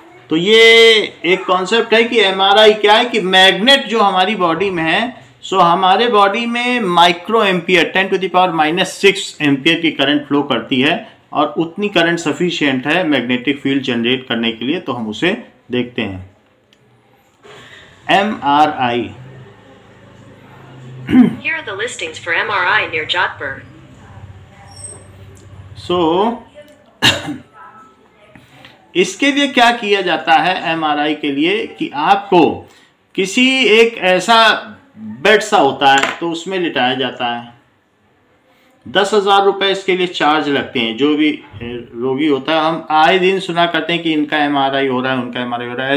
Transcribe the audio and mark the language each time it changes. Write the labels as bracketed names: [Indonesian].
[Hindi] तो ये एक कॉन्सेप्ट है कि MRI क्या है, कि मैग्नेट जो हमारी बॉडी में है, सो हमारे बॉडी में माइक्रो एम्पियर 10^-6 एम्पियर की करंट फ्लो करती है, और उतनी करंट सफिशियंट है मैग्नेटिक फील्ड जनरेट करने के लिए, तो हम उसे देखते हैं. [English] MRI. Here are the listings for MRI near Jodhpur. [Hindi] So, इसके लिए क्या किया जाता है MRI के लिए, कि आपको किसी एक ऐसा बेड सा होता है तो उसमें लिटाया जाता है. 10,000 रुपये इसके लिए चार्ज लगते हैं. जो भी रोगी होता है, हम आए दिन सुना करते हैं कि इनका MRI हो रहा है, उनका MRI हो रहा है.